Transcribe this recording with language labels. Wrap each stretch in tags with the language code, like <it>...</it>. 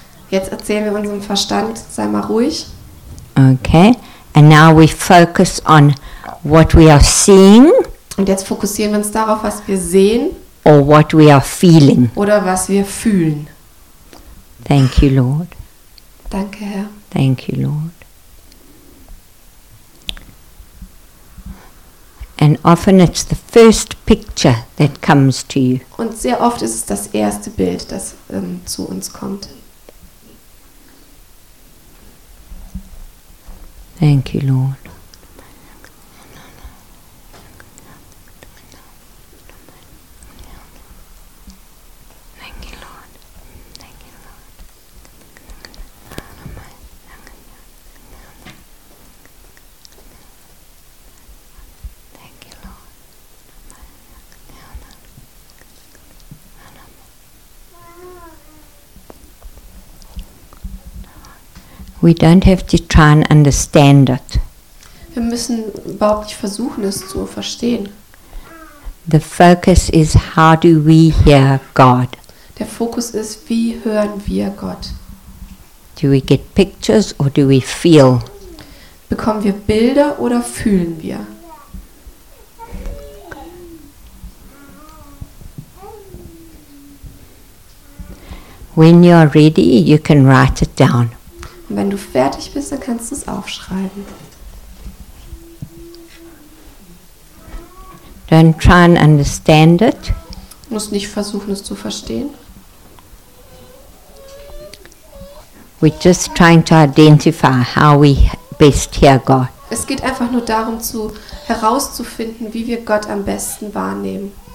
<de>Jetzt erzählen wir unserem Verstand, sei mal ruhig.</de> <en>Okay, and now we focus on what we are seeing.</en> <de>Und jetzt fokussieren wir uns darauf, was wir sehen.</de> <en>or what we are feeling.</en> <de>Oder was wir fühlen.</de> <en>Thank you, Lord.</en> <de>Danke, Herr.</de> <en>Thank you, Lord. And often it's the first picture that comes to you.</en> <de>Und sehr oft ist es das erste Bild, das zu uns kommt.</de> <en>Thank you, Lord. We don't have to try and understand it.</en> <de>Wir müssen überhaupt nicht versuchen, es zu verstehen.</de> <en>The focus is how do we hear God?</en> <de>Der Fokus ist, wie hören wir Gott?</de> <en>Do we get pictures or do we feel?</en> <de>Bekommen wir Bilder oder fühlen wir?</de> <en>When you are ready, you can write it down.</en> <de>Und wenn du fertig bist, dann kannst du es aufschreiben.</de> <en>Don't try and understand it.</en> <de>Du musst nicht versuchen, es zu verstehen.</de> <en>We're just trying to identify how we best hear God.</en> <de>Es geht einfach nur darum, herauszufinden, wie wir Gott am besten wahrnehmen.</de>